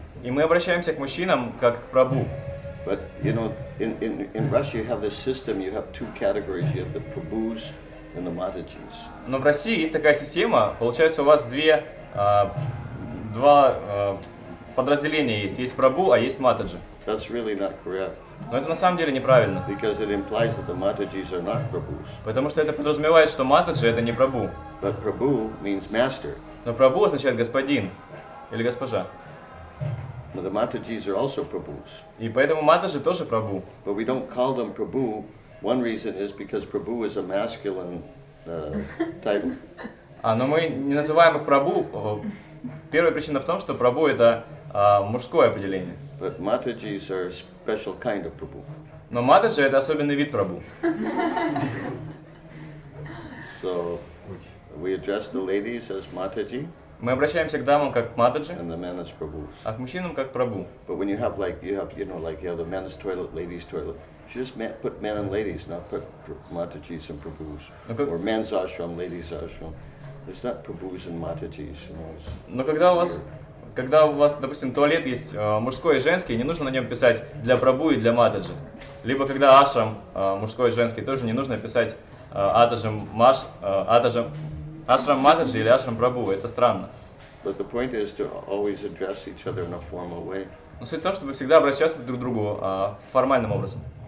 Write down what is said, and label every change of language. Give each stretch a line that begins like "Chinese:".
Russian: И мы обращаемся к мужчинам как к Прабу.
English: But you know, in Russia you have this system. You have two categories. You have the Prabhus and the Matajis.
Russian: Но в России есть такая система. Получается, у вас два подразделения есть. Есть Прабу, а есть Матаджи.
English: That's really not correct.
Russian: Но это на самом деле неправильно.
English: Because it implies that the Matajis are not Prabhus.
Russian: Потому что это подразумевает, что Матаджи это не Прабу.
English: But Prabhu means master.
Russian: Но Прабу означает господин или госпожа.
English: But the Matajis are also Prabhus.
Russian: И поэтому Матаджи тоже Прабу.
English: But we don't call them Prabhu. One reason is because Prabhu is a masculine title.
Russian: А, но мы не называем их Прабу. Первая причина в том, что Прабу это мужское определение.
English: But Matajis are a special kind of Prabhu.
Russian: Но Матаджи это особенный вид Прабу.
English: So we address the ladies as Mataji.
Russian: Мы обращаемся к дамам как к Матаджи.
English: And the men as Prabhus.
Russian: А к мужчинам как к Прабу.
English: But when you have like you have the men's toilet, ladies' toilet. Just put men and ladies, not put Matajis and Prabhus. Or men's ashram, ladies' ashram. It's not Prabhus and Matajis. You know,
Russian: но когда у вас, допустим, туалет есть мужской и женский, не нужно на нем писать для Прабу и для Матаджи. Либо когда ашрам мужской и женский, тоже не нужно писать ашрам Матаджи или ашрам Прабу. Это странно.
English: But the point is to always address each other in a formal way.
Russian: Но суть в том, чтобы всегда обращаться друг к другу формальным образом.